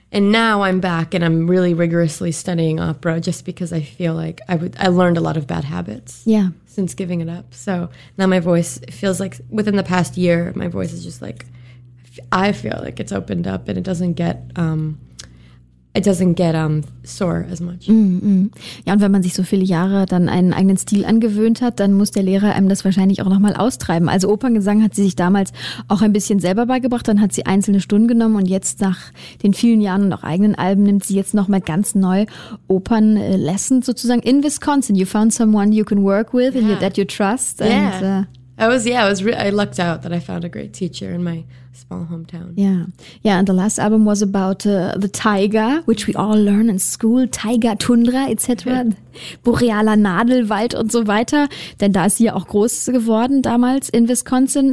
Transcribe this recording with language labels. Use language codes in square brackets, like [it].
[en] And now I'm back and I'm really rigorously studying opera just because I feel like I learned a lot of bad habits. Yeah. Since giving it up. So now my voice feels like within the past year, my voice is just like, I feel like it's opened up and it doesn't get sore as much. Mm-hmm. [de] Ja, und wenn man sich so viele Jahre dann einen eigenen Stil angewöhnt hat, dann muss der Lehrer einem das wahrscheinlich auch nochmal austreiben. Also Operngesang hat sie sich damals auch ein bisschen selber beigebracht, dann hat sie einzelne Stunden genommen und jetzt nach den vielen Jahren und auch eigenen Alben nimmt sie jetzt nochmal ganz neu Opern-Lessons sozusagen in Wisconsin. [en] You found someone you can work with and that you trust. Yeah. And, I lucked out that I found a great teacher in my small hometown. Yeah. Yeah, and the last album was about the taiga, which we all learn in school, taiga, tundra, etc., [de] borealer Nadelwald und so weiter, denn da ist sie ja auch groß geworden damals in Wisconsin.